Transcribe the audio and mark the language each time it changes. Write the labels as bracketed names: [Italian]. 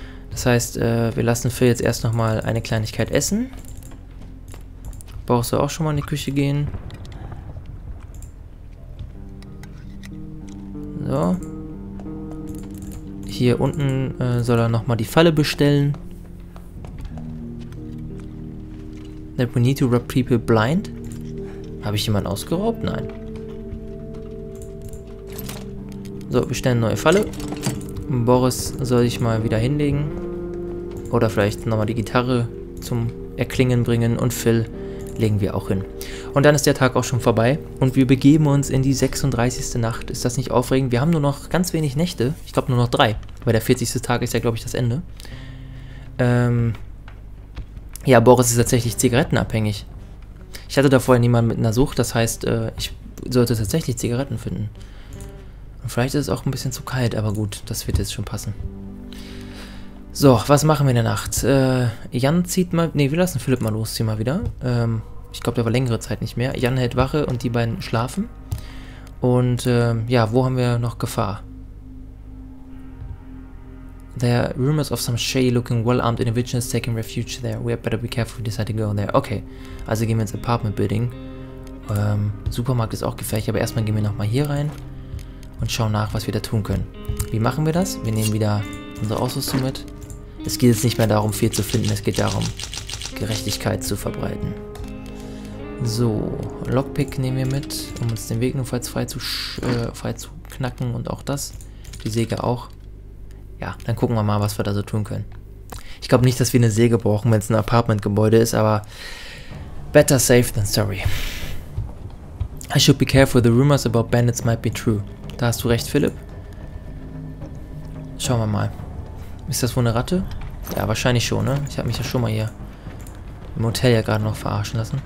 [German] Das heißt, wir lassen Phil jetzt erst nochmal eine Kleinigkeit essen. Brauchst du auch schon mal in die Küche gehen? So. Hier unten soll er nochmal die Falle bestellen. [English] That we need to rob people blind? [German] Habe ich jemanden ausgeraubt? Nein. So, bestellen neue Falle. Boris soll sich mal wieder hinlegen. Oder vielleicht nochmal die Gitarre zum Erklingen bringen. Und Phil legen wir auch hin. Und dann ist der Tag auch schon vorbei und wir begeben uns in die 36. Nacht. Ist das nicht aufregend? Wir haben nur noch ganz wenig Nächte. Ich glaube nur noch drei, weil der 40. Tag ist ja, glaube ich, das Ende. Ja, Boris ist tatsächlich zigarettenabhängig. Ich hatte da vorher niemanden mit einer Sucht, das heißt, ich sollte tatsächlich Zigaretten finden. Und vielleicht ist es auch ein bisschen zu kalt, aber gut, das wird jetzt schon passen. So, was machen wir in der Nacht? Jan zieht mal... Ne, wir lassen Philipp mal losziehen mal wieder. Ich glaube, der war längere Zeit nicht mehr. Jan hält Wache und die beiden schlafen. Und ja, wo haben wir noch Gefahr? [English] There are rumors of some shady-looking, well-armed individuals taking refuge there. We had better be careful if we decide to go there. [German] Okay, also gehen wir ins Apartment-Building. Supermarkt ist auch gefährlich, aber erstmal gehen wir nochmal hier rein und schauen nach, was wir da tun können. Wie machen wir das? Wir nehmen wieder unsere Ausrüstung mit. Es geht jetzt nicht mehr darum, viel zu finden. Es geht darum, Gerechtigkeit zu verbreiten. So, Lockpick nehmen wir mit, um uns den Weg notfalls frei zu knacken und auch das. Die Säge auch. Ja, dann gucken wir mal, was wir da so tun können. Ich glaube nicht, dass wir eine Säge brauchen, wenn es ein Apartmentgebäude ist, aber [English] better safe than sorry. I should be careful, the rumors about bandits might be true. [German] Da hast du recht, Philipp. Schauen wir mal. Ist das wohl eine Ratte? Ja, wahrscheinlich schon, ne? Ich habe mich ja schon mal hier im Hotel ja gerade noch verarschen lassen.